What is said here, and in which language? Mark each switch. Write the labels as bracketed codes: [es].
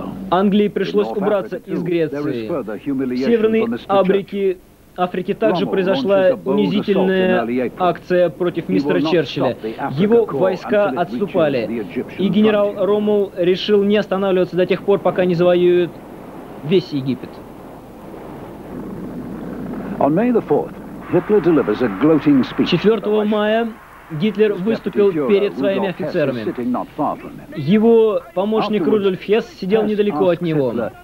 [ru] Англии пришлось убраться из Греции. В Северной Африке также произошла унизительная акция против мистера Черчилля. Его войска отступали, и генерал Роммель решил не останавливаться до тех пор, пока не завоюет весь Египет. [en] On May the 4th, Hitler delivers a gloating speech. [ru] 4 мая Гитлер выступил перед своими офицерами. Его помощник Рудольф Хесс сидел недалеко от него.